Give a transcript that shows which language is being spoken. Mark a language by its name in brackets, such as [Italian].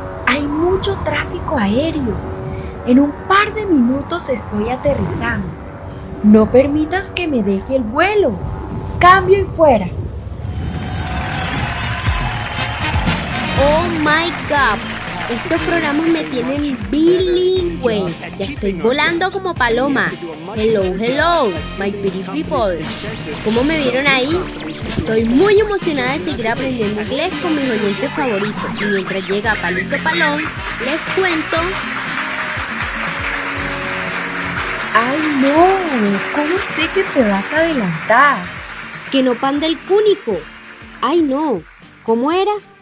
[Spanish] Hay mucho tráfico aéreo. En un par de minutos estoy aterrizando. No permitas que me deje el vuelo. ¡Cambio y fuera! [English] ¡Oh, my God! [Spanish] Estos programas me tienen bilingüe. Ya estoy volando como paloma. [English] Hello, hello, my pretty people. [Spanish] ¿Cómo me vieron ahí? Estoy muy emocionada de seguir aprendiendo inglés con mis oyentes favoritos. Y mientras llega Palito Palón, les cuento. ¡Ay, no! ¿Cómo sé que te vas a adelantar? ¡Que no panda el cúnico! ¡Ay, no! ¿Cómo era?